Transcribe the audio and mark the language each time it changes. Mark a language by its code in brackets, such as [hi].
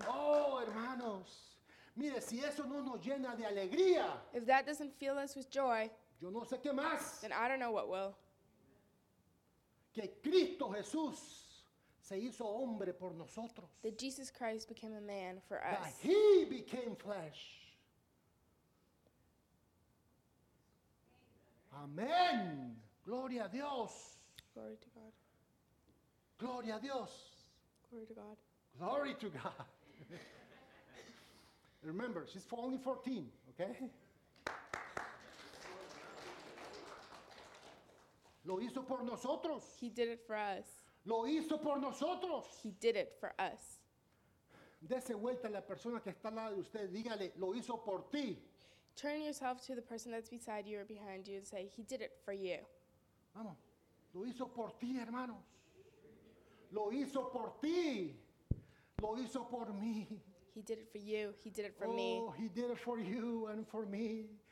[es] Oh, hermanos, mire, si eso no nos llena de alegría, [en] if that doesn't fill us with joy, [es] yo no sé qué más. [en] Then I don't know what will. [es] Que Cristo Jesús se hizo hombre por nosotros. [en] That Jesus Christ became a man for us. That He became flesh. [es] Amén. Gloria a Dios. [en] Glory to God. [es] Gloria a Dios. [en] Glory to God. Glory to God. Remember, she's only 14, okay? [es] Lo hizo por nosotros. [en] He did it for us. [es] Lo hizo por nosotros. [en] He did it for us. [es] Dese vuelta a la persona que está al lado de usted. Dígale, lo hizo por ti. [en] Turn yourself to the person that's beside you or behind you and say, he did it for you. [es] Vamos. Lo hizo por ti, hermanos. Lo hizo por ti. Lo hizo por mí. [en] He did it for you. He did it for me. Oh, he did it for you and for me.